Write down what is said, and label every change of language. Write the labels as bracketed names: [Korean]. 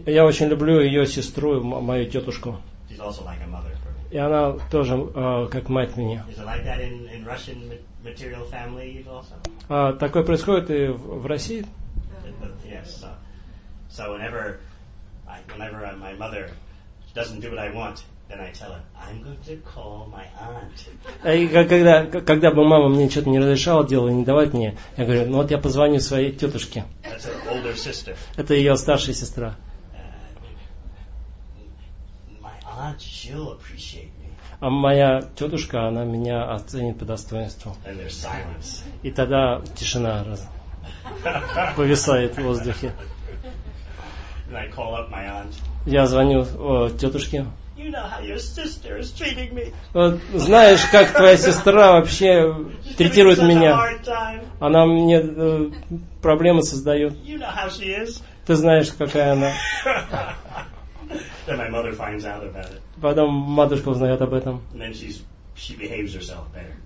[Russian] И я очень люблю ее сестру, мою тетушку. [English] She's also like a mother for me. [Russian] И она тоже как мать мне. [English] Is it like that in Russian material families also? [Russian] Такое происходит и в России? [English] Yes. So whenever my mother doesn't do what I want, then I tell her, I'm going to call my aunt. [Russian] И когда бы мама мне что-то не разрешала делать, не давать мне, я говорю, ну вот я позвоню своей тетушке. [English] That's her older sister. [Russian] Это ее старшая сестра. [English] My aunt, she'll appreciate me. [Russian] А моя тетушка, она меня оценит по достоинству. [English] And there's silence. [Russian] И тогда тишина повисает в воздухе. [English] And I call up my aunt. [Russian] Я звоню тетушке. [English] You know how your sister is treating me. [Russian] Вот, знаешь, как твоя сестра вообще третирует меня. Она мне проблемы создает. [English] You know how she is. [Russian] Ты знаешь, какая она. [English] Then my mother finds out about it. [Russian] Потом матушка узнает об этом. [English] And then she behaves herself better.